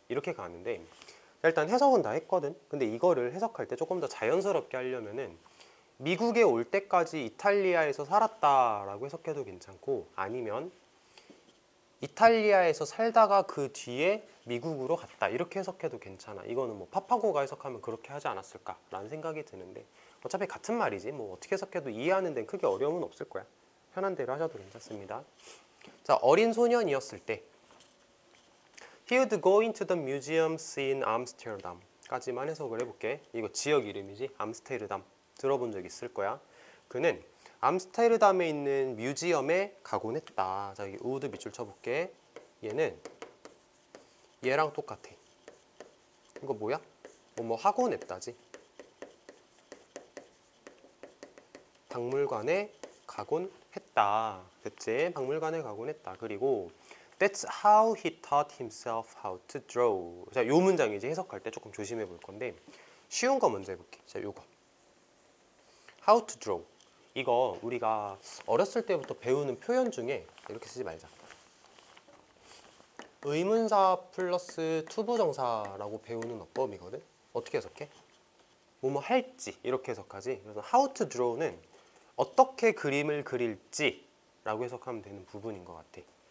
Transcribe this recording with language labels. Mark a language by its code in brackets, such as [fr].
[ko] 이렇게 가는데 일단 해석은 다 했거든. 근데 이거를 해석할 때 조금 더 자연스럽게 하려면은 미국에 올 때까지 이탈리아에서 살았다라고 해석해도 괜찮고, 아니면 이탈리아에서 살다가 그 뒤에 미국으로 갔다 이렇게 해석해도 괜찮아. 이거는 뭐 파파고가 해석하면 그렇게 하지 않았을까 라는 생각이 드는데, 어차피 같은 말이지 뭐 어떻게 해석해도 이해하는 데는 크게 어려움은 없을 거야. 편한 대로 하셔도 괜찮습니다. 자, 어린 소년이었을 때 [en] He would go into the museums in Amsterdam [ko] 까지만 해석을 해볼게. 이거 지역 이름이지. 암스테르담 들어본 적 있을 거야. 그는 암스테르담에 있는 뮤지엄에 가곤 했다. 자, 여기 would 밑줄 쳐볼게. 얘는 얘랑 똑같아. 이거 뭐야? 뭐 하곤 했다지. 박물관에 가곤 했다. 됐지? 박물관에 가곤 했다. 그리고 [en] That's how he taught himself how to draw. [ko] 자, 요 문장 이제 해석할 때 조금 조심해 볼 건데 쉬운 거 먼저 해볼게. 자, 요거 [en] How to draw. [ko] 이거 우리가 어렸을 때부터 배우는 표현 중에 이렇게 쓰지 말자. 의문사 플러스 투부정사라고 배우는 어법이거든. 어떻게 해석해? 뭐뭐 할지 이렇게 해석하지. 그래서 [en] How to draw [ko] 는 어떻게 그림을 그릴지 라고 해석하면 되는 부분인 것 같아.